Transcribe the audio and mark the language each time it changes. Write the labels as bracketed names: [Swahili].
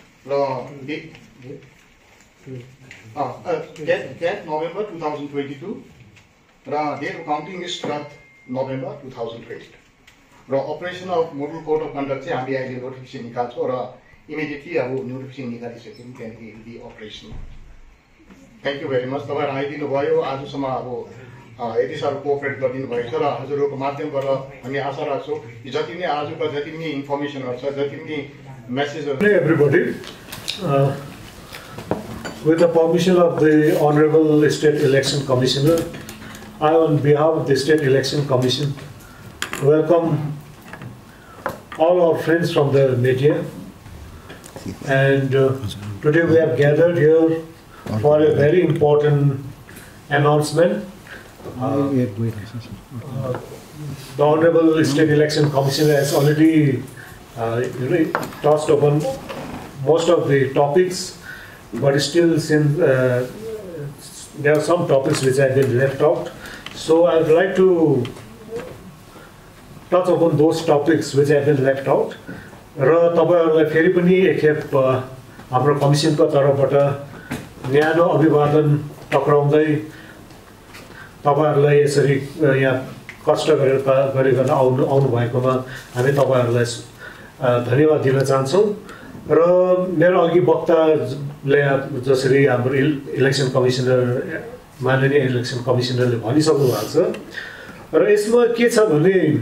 [Nepali] र 10th November 2022 र date counting is 12th November 2022 र operation of model code of conduct चाहिँ हामीले अहिले नोटिफिकेसन निकाल्छौँ र इमिडिएटली अब नोटिफिकेसन निकालिसक्यौँ त्यहाँदेखि Hindi operation [English] thank you very much [Nepali] तपाईँहरू आइदिनु भयो आजसम्म अब यति साह्रो कोअपरेट गरिदिनु भएको छ र हजुरहरूको माध्यमबाट हामी आशा राख्छौँ जति पनि आजको जति पनि इन्फर्मेसनहरू छ जति पनि मेसेजहरू [English] Everybody With the permission of the Honorable State Election Commissioner, I, on behalf of the State Election Commission, welcome all our friends from the media. And today we have gathered here for a very important announcement. The Honorable State Election Commissioner has already tossed open most of the topics. But still, since there are some topics which have been left out, so I would like to touch upon those topics which have been left out. [Nepali] र तपाईँहरूलाई फेरि पनि एकखेप हाम्रो कमिसनको तर्फबाट न्यानो अभिवादन टक्राउँदै तपाईँहरूलाई यसरी यहाँ कष्ट गरेर गरिकन आउनुभएकोमा हामी तपाईँहरूलाई धन्यवाद दिन चाहन्छौँ र मेरो अघि वक्ताले जसरी हाम्रो इलेक्सन कमिसनर माननीय इलेक्सन कमिसनरले भनिसक्नु भएको छ र यसमा के छ भने